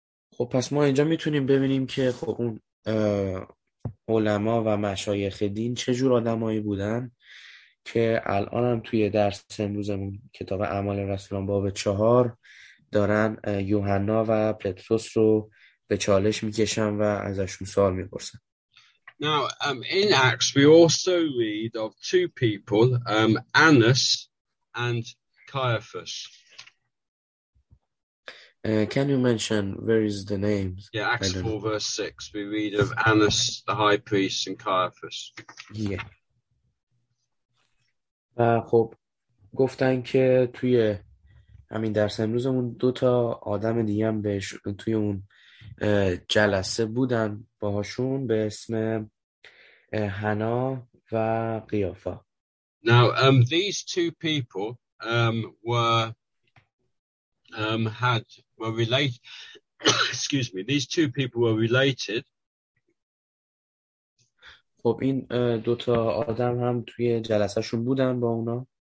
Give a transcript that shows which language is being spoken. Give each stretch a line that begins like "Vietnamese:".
Persian: خب پس ما اینجا میتونیم ببینیم که خب اون علما و مشایخ دین چه جور آدمایی بودن که الان هم توی درس امروزمون کتاب اعمال رسولان باب 4 دارن یوحنا و پتروس رو به چالش میکشن و ازشون سوال میپرسن.
English: Now in Acts we also read of two people, Annas and Caiaphas. Can you mention where is the names? Yeah, Acts 4 verse 6 we read of Annas the high priest and Caiaphas. Yeah.
Persian: خب گفتن که توی همین درس امروزمون دو تا آدم دیگه هم بهش توی اون جلسه بودن باهاشون به اسم حنا و قیافا.
English: Now these two people were were related. Excuse me. These two people were related.
Persian: خب این دو تا آدم هم توی جلسه شون بودن با اونا.